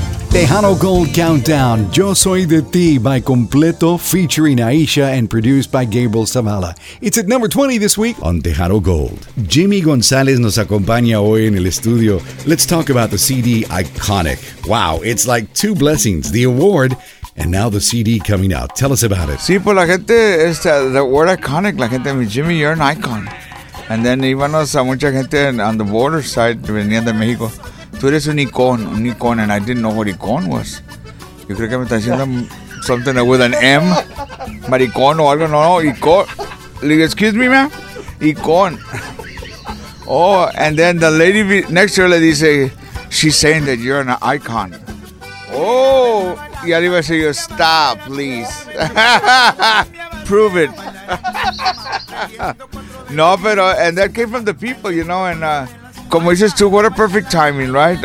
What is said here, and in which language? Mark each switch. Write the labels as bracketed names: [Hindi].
[English] Tejano Gold Countdown, Yo Soy De Ti by Completo, featuring Aisha and produced by Gabriel Zavala. It's at number 20 this week on Tejano Gold. [Spanish] Jimmy Gonzalez nos acompaña hoy en el estudio. [English] Let's talk about the CD Iconic. Wow, it's like two blessings, the award and now the CD coming out. Tell us about it. [Spanish] Sí, pues la gente, [English] the word iconic, [Spanish] la gente, [English] Jimmy, you're an icon. And then [Spanish] íbamos a mucha gente [English] on the border side, [Spanish] venían de México. Tú eres un icon, [English] and I didn't know what icon was. [Spanish] Yo creo que me está diciendo [English] something with an M, [Spanish] maricón o algo, no, icon. [English] Like, excuse me, ma'am, icon. Oh, and then the lady next to her [Spanish] le dice, [English] she's saying that you're an icon. [Spanish] Oh, y ahora iba a decir, [English] stop, please. Prove it. [Spanish] No, pero, [English] and that came from the people, you know, and... [Spanish] Como dices tú, [English] what a perfect timing, right?